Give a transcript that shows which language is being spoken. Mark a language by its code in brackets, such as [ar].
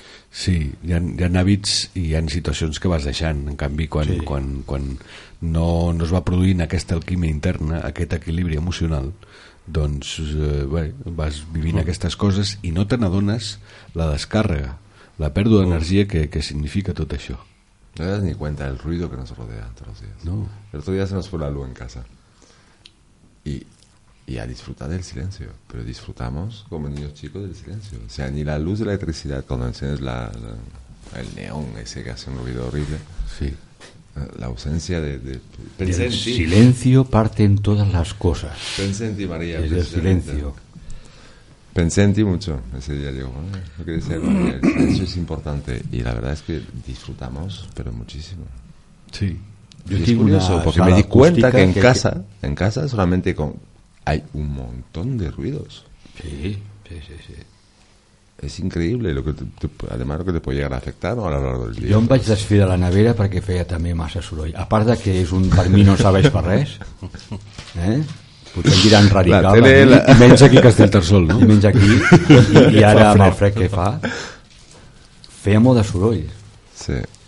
[ca] Sí, hi ha hàbits i hi ha situacions que vas deixant. En canvi, quan no es va produint aquesta alquimia interna, aquest equilibri emocional, doncs bé, vas vivint aquestes coses i no te n'adones la descàrrega, la pèrdua d'energia que significa tot això. [es] No te das ni cuenta del ruido que nos rodea todos los días. No. El otro día se nos fue la luz en casa. Y a disfrutar del silencio. Pero disfrutamos como niños chicos del silencio. O sea, ni la luz de la electricidad, cuando enciendes el neón ese que hace un ruido horrible. Sí. La ausencia de pensé en ti. Silencio parte en todas las cosas. Pensé en ti, María. Es el silencio. Pensé en ti mucho ese día. Digo, ¿eh? ¿Qué decía? El silencio es importante. Y la verdad es que disfrutamos, pero muchísimo. Sí. Yo es curioso, porque me di cuenta que en casa solamente con... Hay un montón de ruidos. Sí. Es increíble lo que además lo que te puede llegar a afectar, ¿no? A lo largo del día. [ca] Yo me vaig desfir a la nevera perquè feia també massa soroll. A part de que és un per mi no sabeix per res, eh? Potser diran radical. La tele, i menys aquí Castellterçol, no? I menys aquí. I ara amb el fred que fa. Feia molt de soroll. Sí.